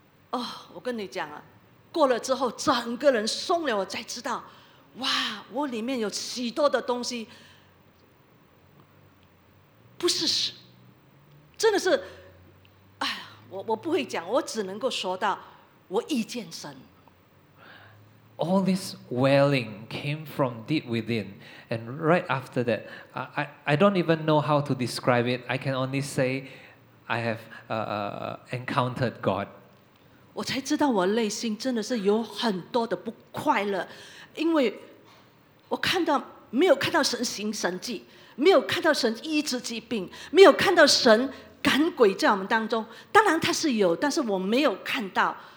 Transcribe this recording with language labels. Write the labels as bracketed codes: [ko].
[zh] 哦，我跟你讲啊，过了之后，整个人松了，我才知道，哇，我里面有许多的东西不是，真的是，哎，我不会讲，我只能够说到我遇见神。 [en] All this wailing came from deep within, and right after that, I don't even know how to describe it. I can only say, I have encountered God. [zh] 我才知道我内心真的是有很多的不快乐，因为我看到没有看到神行神迹，没有看到神医治疾病，没有看到神赶鬼在我们当中。当然他是有，但是我没有看到。